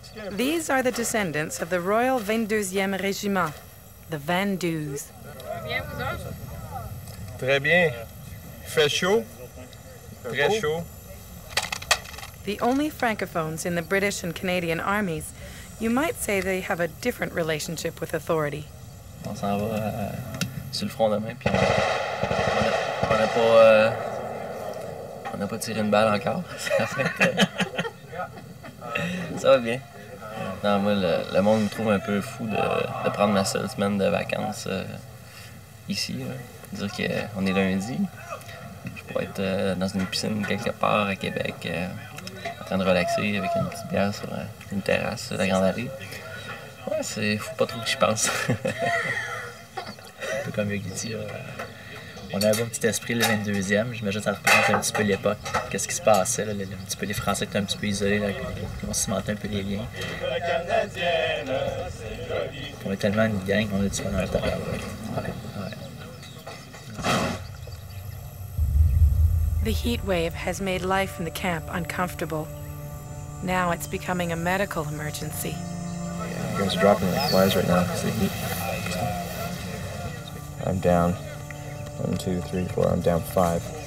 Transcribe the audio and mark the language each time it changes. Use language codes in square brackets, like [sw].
[en] These are the descendants of the Royal 22e Regiment, the Vandoos. [fr] Très bien. Fait chaud. Très chaud. [en] The only Francophones in the British and Canadian armies, you might say they have a different relationship with authority. [fr] On s'en va sur le front demain, puis on n'a pas tiré une balle encore. Ça va bien. Non, moi, le monde me trouve un peu fou de prendre ma seule semaine de vacances ici. Là. Dire qu'on est lundi, je pourrais être dans une piscine quelque part à Québec, en train de relaxer avec une petite bière sur une terrasse de la Grande Allée. Ouais, c'est fou pas trop que j'y pense. Un peu comme Yogi dit, on a un bon petit esprit le 22e. J'imagine que ça représente un petit peu l'époque. Qu'est-ce qui se passait? Là, un petit peu, les Français étaient un petit peu isolés. Ils ont cimenté un peu les liens. On est tellement une gang, on est du bonheur de travail. [en] The heat wave has made life in the camp uncomfortable. Now it's becoming a medical emergency. Yeah, I'm just dropping like flies right now because of the heat. I'm down. 1, 2, 3, 4. I'm down 5.